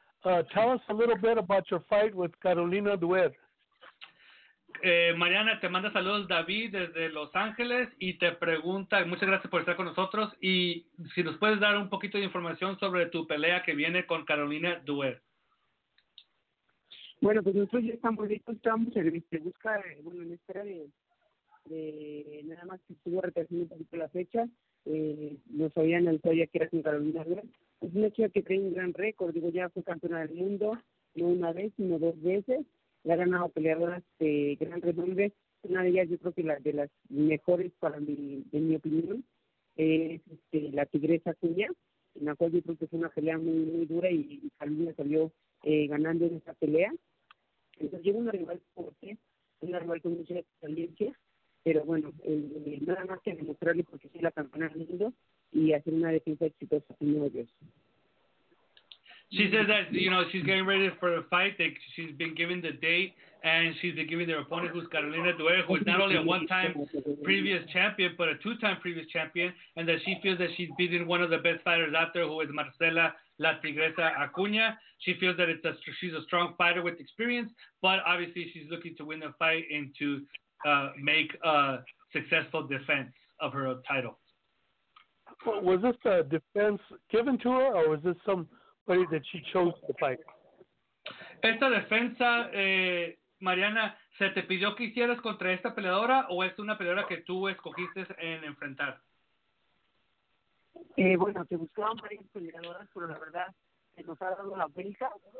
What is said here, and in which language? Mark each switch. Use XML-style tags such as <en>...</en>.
<en>Tell us a little bit about your fight with Carolina Duer.</en> <es>Mariana, te manda saludos David desde Los Ángeles y te pregunta, muchas gracias por estar con nosotros, y si nos puedes dar un poquito de información sobre tu pelea que viene con Carolina Duer. Bueno, pues nosotros ya estamos listos, estamos en busca, en espera de nada más que estuvo retrasando un poquito la fecha. Nos habían anunciado ya que era con Carolina Duer. Es una chica que tiene un gran récord, digo, ya fue campeona del mundo no una vez, sino dos veces. Le ha ganado peleadoras de gran renombre, una de ellas yo creo que la de las mejores para mí, en mi opinión, es la Tigresa Cuña, en la cual yo creo que fue una pelea muy, muy dura, y Carolina salió ganando en esa pelea. Entonces llevo una rival fuerte, una rival con mucha experiencia, pero bueno, nada más que demostrarle porque soy la campeona del mundo y hacer una defensa exitosa en ellos.</es> <en>She says that, you know, she's getting ready for a fight, that she's been given the date, and she's been given their opponent, who's Carolina Duer, who is not only a one-time previous champion, but a two-time previous champion, and that she feels that she's beating one of the best fighters out there, who is Marcela La Tigresa Acuña. She feels that she's a strong fighter with experience, but obviously she's looking to win the fight and to make a successful defense of her title. Was this a defense given to her, or was this somebody that she chose to fight?</en> <es>Esta defensa, Mariana, ¿se te pidió que hicieras contra esta peleadora, o es una peleadora que tú escogiste en enfrentar? Bueno, te buscaban varias peleadoras, pero la verdad, nos ha dado la vuelta.</es>